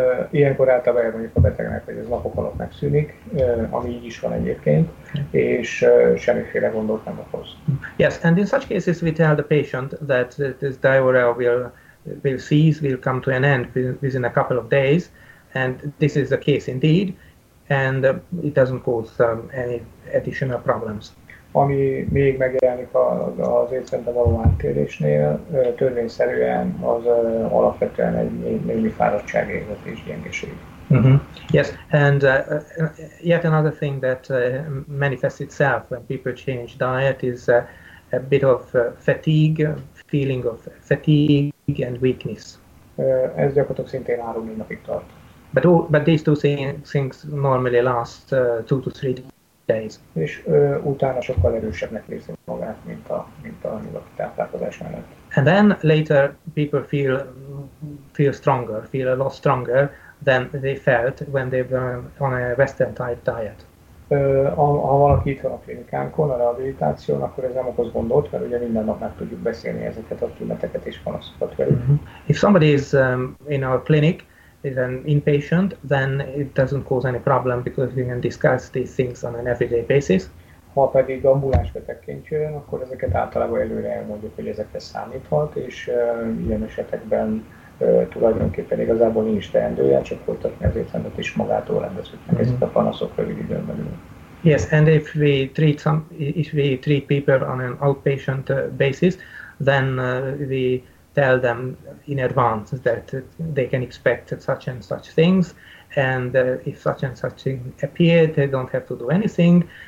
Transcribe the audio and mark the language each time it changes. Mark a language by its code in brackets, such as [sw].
[hu] Ilyenkor általában elmondjuk a betegnek, hogy ez napok alatt megszűnik, ami így is van egyébként, és semmiféle gondot nem okoz. [en] Yes, and in such cases we tell the patient that this diarrhea will cease, will come to an end within a couple of days, and this is the case indeed, and it doesn't cause any additional problems. [hu] Ami még megjelenik az étrendbe való áttérésnél, törvényszerűen az alapvetően egy némi fáradtság érzetés, gyengeség. Mm-hmm. [en] Yes, and yet another thing that manifests itself when people change diet is a bit of fatigue, feeling of fatigue and weakness. [hu] Ez gyakorlatilag szintén 3-4 napig tart. [en] But these two things normally last 2-3 days. [hu] És utána sokkal erősebbnek érzi magát, mint a nyugati táplálkozás mellett. [en] And then later people feel stronger, feel a lot stronger than they felt when they were on a Western type diet. [hu] Ha valaki itt van a klinikánkon, a rehabilitáción, akkor ez nem okoz gondot, mert ugye minden nap meg tudjuk beszélni ezeket a tüneteket és panaszokat velük. Mm-hmm. [en] If somebody is in our clinic, is an inpatient, then it doesn't cause any problem because we can discuss these things on an everyday basis. [hu] Ha pedig ambuláns betegként jön, akkor ezeket általában előre elmondjuk, hogy ezekre számíthat, és ilyen esetekben tulajdonképpen igazából nincs teendője, csak folytatni az étrendet is magától rendeződnek ezek a panaszok rövid időn belül. [en] Yes, and if we treat people on an outpatient basis, then we tell them in advance that they can expect such and such things, and if such and such thing appear, they don't have to do anything,